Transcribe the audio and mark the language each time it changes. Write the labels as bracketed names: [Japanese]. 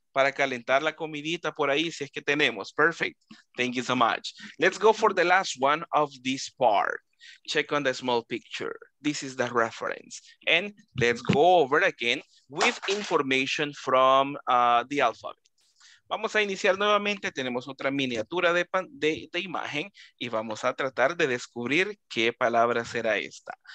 [Spanish] Para calentar la comidita por ahí, si es que tenemos. [English] Perfect. Thank you so much. Let's go for the last one of this part. Check on the small picture. This is the reference. And let's go over again with information from the alphabet. [Spanish] Vamos a iniciar nuevamente. Tenemos otra miniatura de imagen y vamos a tratar de descubrir qué palabra será esta.